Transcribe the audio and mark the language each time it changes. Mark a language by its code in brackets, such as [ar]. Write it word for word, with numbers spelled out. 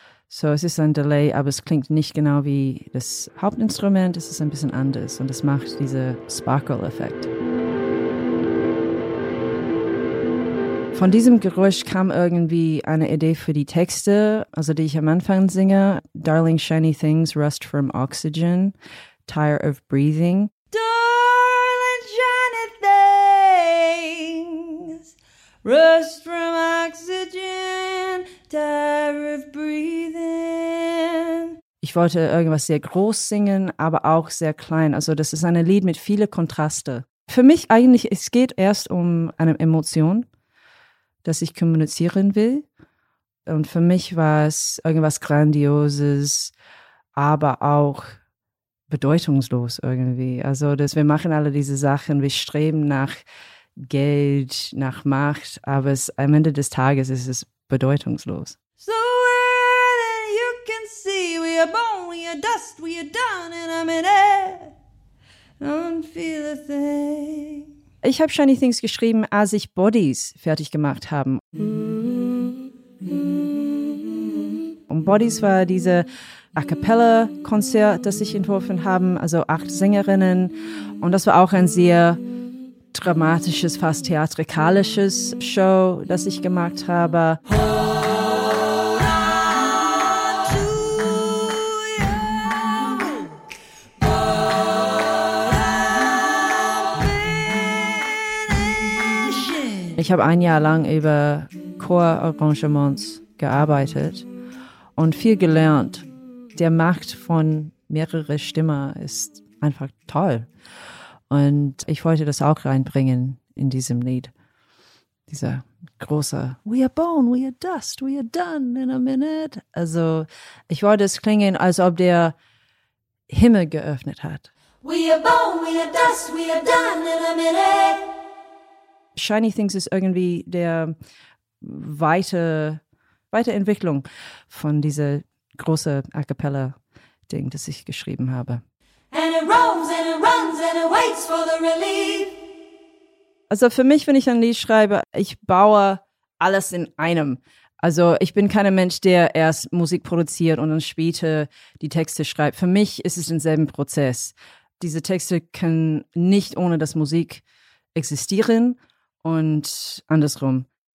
[de] So, es ist ein Delay, aber es klingt nicht genau wie das Hauptinstrument, es ist ein bisschen anders und das macht diesen Sparkle-Effekt. Von diesem Geräusch kam irgendwie eine Idee für die Texte, also die ich am Anfang singe. [en] Darling shiny things rust from oxygen, tire of breathing. Darling shiny things rust from oxygen, tire of breathing. [de] Ich wollte irgendwas sehr groß singen, aber auch sehr klein. Also das ist ein Lied mit vielen Kontrasten. Für mich eigentlich, es geht erst um eine Emotion. das ich kommunizieren will. Und für mich war es irgendwas Grandioses, aber auch bedeutungslos irgendwie. Also, dass wir machen alle diese Sachen, wir streben nach Geld, nach Macht, aber es, am Ende des Tages ist es bedeutungslos. [en] So early you can see we are born, we are dust, we are done in a minute. Don't feel a thing. [de] Ich habe Shiny Things geschrieben, als ich Bodies fertig gemacht habe. Und Bodies war diese A-Cappella-Konzert, das ich entworfen habe, also acht Sängerinnen. Und das war auch ein sehr dramatisches, fast theatrikalisches Show, das ich gemacht habe. Ich habe ein Jahr lang über Chorarrangements gearbeitet und viel gelernt. Der Macht von mehreren Stimmen ist einfach toll. Und ich wollte das auch reinbringen in diesem Lied. Dieser große [en] We are born, we are dust, we are done in a minute. [de] Also ich wollte es klingen, als ob der Himmel geöffnet hat. [en] We are born, we are dust, we are done in a minute. [de] Shiny Things ist irgendwie der weite, weite Entwicklung von dieser großen A-Cappella-Ding, das ich geschrieben habe. [en] And it roams and it runs and it waits for the relief. [de] Also für mich, wenn ich ein Lied schreibe, ich baue alles in einem. Also ich bin kein Mensch, der erst Musik produziert und dann später die Texte schreibt. Für mich ist es denselben Prozess. Diese Texte können nicht ohne das Musik existieren und andersrum.